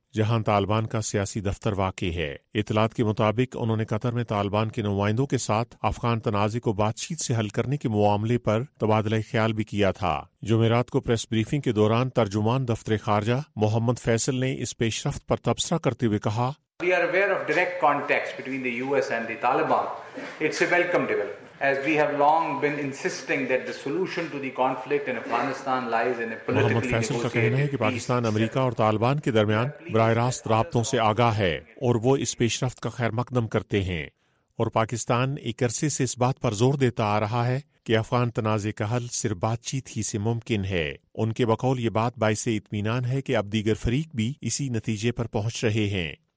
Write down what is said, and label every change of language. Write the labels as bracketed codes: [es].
[ur] جہاں طالبان کا سیاسی دفتر واقع ہے۔ اطلاعات کے مطابق انہوں نے قطر میں طالبان کے نمائندوں کے ساتھ افغان تنازع کو بات چیت سے حل کرنے کے معاملے پر تبادلہ خیال بھی کیا تھا۔ جمعرات کو پریس بریفنگ کے دوران ترجمان دفتر خارجہ محمد فیصل نے اس پیش رفت پر تبصرہ کرتے ہوئے کہا، [en] We are aware of direct contacts between the U S and the Taliban, it's a welcome development as we have long been insisting that the solution to the conflict in Afghanistan lies in a politically. [ur] محمد فیصل کا کہنا ہے کہ پاکستان امریکہ اور طالبان کے درمیان براہ راست رابطوں سے آگاہ ہے اور وہ اس پیش رفت کا خیر مقدم کرتے ہیں، اور پاکستان ایک عرصے سے اس بات پر زور دیتا آ رہا ہے کہ افغان تنازع کا حل صرف بات چیت ہی سے ممکن ہے۔ ان کے بقول یہ بات باعث اطمینان ہے کہ اب دیگر فریق بھی اسی نتیجے پر پہنچ رہے ہیں۔